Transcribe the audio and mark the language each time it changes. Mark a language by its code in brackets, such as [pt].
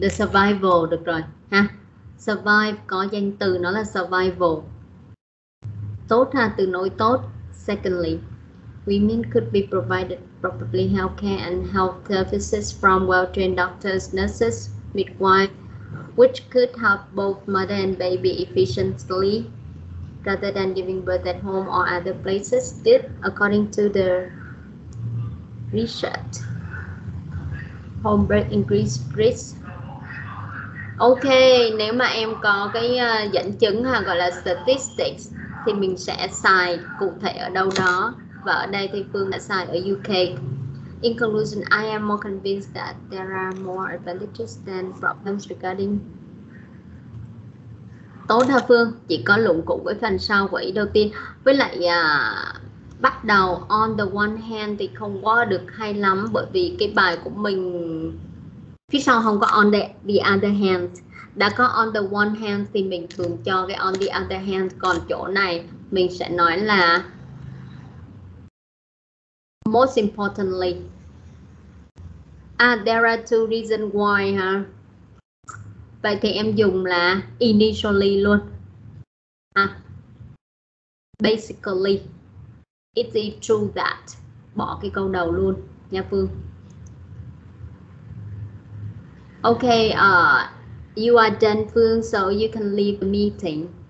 [vi] The survival, được rồi, ha. Survive có danh từ, nó là survival. Tốt ha, từ nối tốt. [en] Secondly, women could be provided probably healthcare and health services from well-trained doctors, nurses, midwives, which could help both mother and baby efficiently rather than giving birth at home or other places. This, according to the research, home birth increased risk. [vi] Ok, nếu mà em có cái dẫn chứng ha, gọi là statistics, thì mình sẽ xài cụ thể ở đâu đó. Và ở đây thì Phương đã xài ở UK. [en] In conclusion, I am more convinced that there are more advantages than problems regarding. [vi] Tốt hả Phương? Chỉ có luận cụ với phần sau của ý đầu tiên. Với lại bắt đầu [en] on the one hand [vi] thì không có được hay lắm, bởi vì cái bài của mình phía sau không có on the other hand. Đã có [en] on the one hand [vi] thì mình thường cho cái [en] on the other hand. [vi] Còn chỗ này mình sẽ nói là [en] most importantly, there are two reasons why, huh? [vi] Vậy thì em dùng là initially luôn. [en] Basically, it is true that. [vi] Bỏ cái câu đầu luôn, nha Phương. [en] Okay, you are done, Phương, so you can leave the meeting.